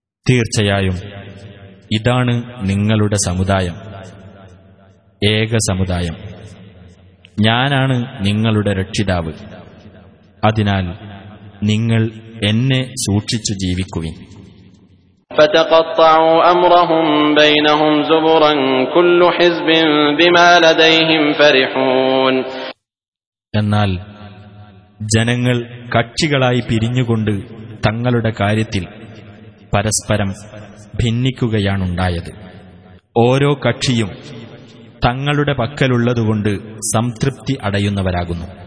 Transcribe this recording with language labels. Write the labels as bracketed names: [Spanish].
[Malayalam] തീർച്ചയായും ഇതാണ് നിങ്ങളുടെ സമുദായം, ഏക സമുദായം. ഞാനാണ് നിങ്ങളുടെ രക്ഷിതാവ്. അതിനാൽ നിങ്ങൾ എന്നെ സൂക്ഷിച്ചു ജീവിക്കുവിൻ. [Arabic] فتقطعوا امرهم بينهم زبرا كل حزب بما لديهم فرحون. [Malayalam] എന്നാൽ ജനങ്ങൾ കക്ഷികളായി പിരിഞ്ഞുകൊണ്ട് തങ്ങളുടെ കാര്യത്തിൽ പരസ്പരം ഭിന്നിക്കുകയാണുണ്ടായത്. ഓരോ കക്ഷിയും തങ്ങളുടെ പക്കലുള്ളതുകൊണ്ട് സംതൃപ്തി അടയുന്നവരാകുന്നു.